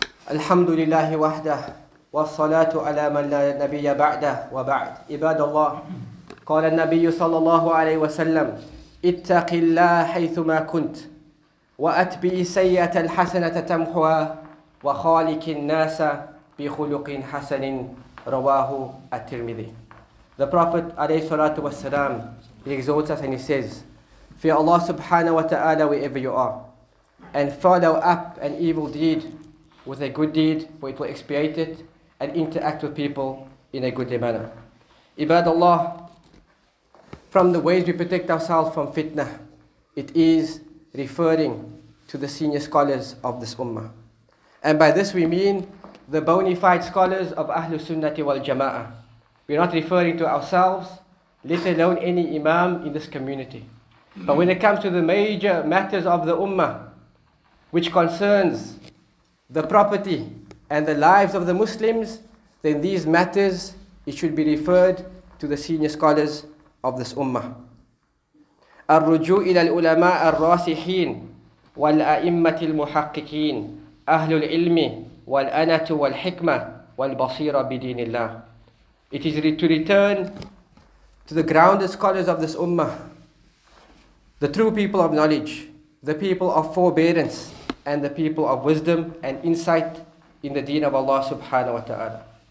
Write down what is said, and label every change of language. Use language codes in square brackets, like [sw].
[ar] الحمد لله وحده والصلاة على من لا نبي بعده وبعد عباد الله قال النبي صلى الله عليه وسلم اتق الله حيثما كنت وأتبع سيئة الحسنة تمحوها وخالق الناس بخلق حسن رواه الترمذي. [en] The Prophet [ar] عليه الصلاة والسلام [en] exhorts us and he says, fear Allah subhanahu wa ta'ala wherever you are, and follow up an evil deed with a good deed, for it will expiate it, and interact with people in a goodly manner. Ibadallah, from the ways we protect ourselves from fitna, it is referring to the senior scholars of this ummah. And by this we mean the bona fide scholars of Ahlu Sunnati wal Jama'ah. We're not referring to ourselves, let alone any imam in this community. But when it comes to the major matters of the ummah, which concerns the property and the lives of the Muslims, then these matters, it should be referred to the senior scholars of this ummah. [ar] الرجوع إلى العلماء الراسخين والأئمة المحققين أهل العلم والأنة والحكمة والبصيرة بدين الله. [en] It is to return to the grounded scholars of this ummah, the true people of knowledge, the people of forbearance, and the people of wisdom and insight in the deen of Allah subhanahu wa ta'ala.